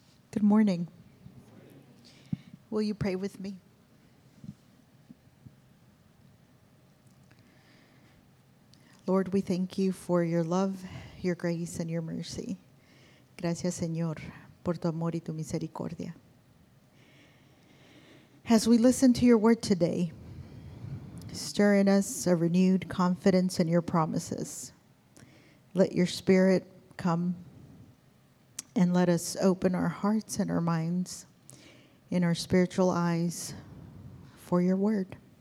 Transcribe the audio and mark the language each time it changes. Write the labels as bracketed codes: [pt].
[en] Good morning. Will you pray with me? Lord, we thank you for your love, your grace, and your mercy. [es] Gracias, Señor, por tu amor y tu misericordia. [en] As we listen to your word today, stir in us a renewed confidence in your promises. Let your spirit come and let us open our hearts and our minds in our spiritual eyes for your word.